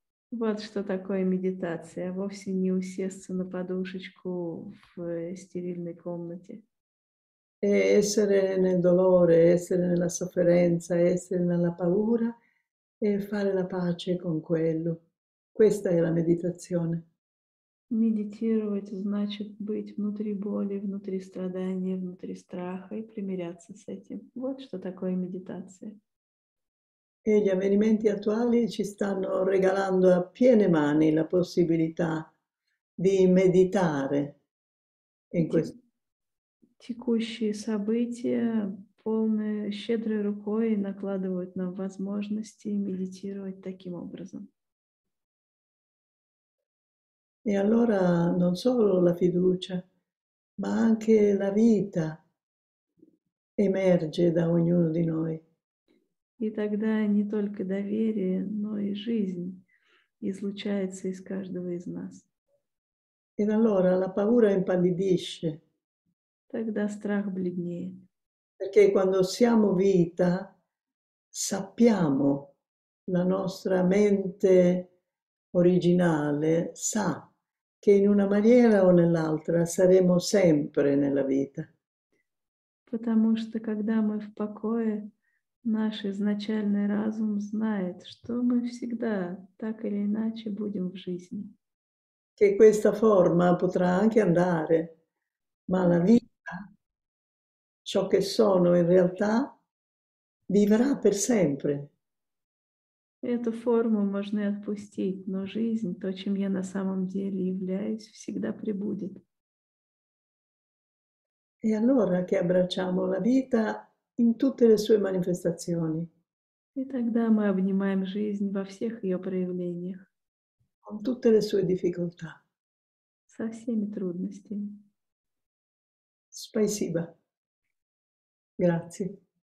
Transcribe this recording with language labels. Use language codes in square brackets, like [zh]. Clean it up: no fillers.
[ru] Вот что такое медитация. Вовсе не усесться на подушечку в стерильной комнате. [it] È essere nel dolore, essere nella sofferenza, essere nella paura e fare la pace con quello. Questa è la meditazione. [ru] Медитировать значит быть внутри боли, внутри страдания, внутри страха и примиряться с этим. Вот что такое медитация. [it] E gli avvenimenti attuali ci stanno regalando a piene mani la possibilità di meditare in questo. [ru] Текущие события полные щедрой рукой накладывают нам возможности медитировать таким образом. [it] E allora non solo la fiducia, ma anche la vita emerge da ognuno di noi. [ru] И тогда не только доверие, но и жизнь излучается из каждого из нас. [it] E allora la paura impallidisce. [ru] Тогда страх бледнеет. [it] Perché quando siamo vita, sappiamo, la nostra mente originale sa che in una maniera o nell'altra saremo sempre nella vita. [ru] Потому что когда мы в покое, наш изначальный разум знает, что мы всегда так или иначе будем в жизни. [it] Che questa forma potrà anche andare, ma la vita, ciò che sono in realtà, vivrà per sempre. [ru] Эту форму можно отпустить, но жизнь, то, чем я на самом деле являюсь, всегда пребудет. [it] E allora che abbracciamo la vita in tutte le sue manifestazioni. [ru] И тогда мы обнимаем жизнь во всех ее проявлениях, [it] Con tutte le sue difficoltà. [ru] со всеми трудностями. Спасибо. [it] Grazie.